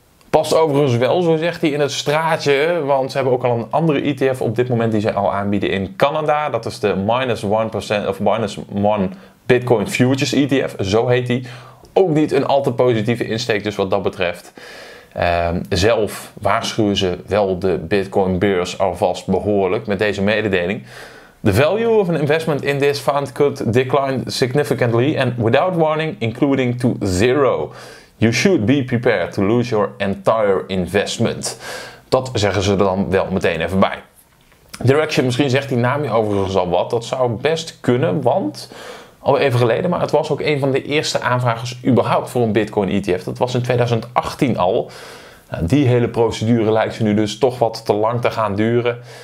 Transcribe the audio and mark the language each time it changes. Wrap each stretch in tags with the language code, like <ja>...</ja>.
<nl>Past overigens wel, zo zegt hij, in het straatje, want ze hebben ook al een andere ETF op dit moment die ze al aanbieden in Canada. Dat is de -1% of -1 Bitcoin Futures ETF, zo heet die. Ook niet een al te positieve insteek dus wat dat betreft. Zelf waarschuwen ze wel de Bitcoin beurs alvast behoorlijk met deze mededeling.</nl> <en>The value of an investment in this fund could decline significantly and without warning, including to zero. You should be prepared to lose your entire investment.</en> <nl>Dat zeggen ze er dan wel meteen even bij. Direction, misschien zegt die naam je overigens al wat. Dat zou best kunnen, want al even geleden, maar het was ook een van de eerste aanvragers überhaupt voor een Bitcoin ETF. Dat was in 2018 al. Nou, die hele procedure lijkt ze nu dus toch wat te lang te gaan duren.</nl>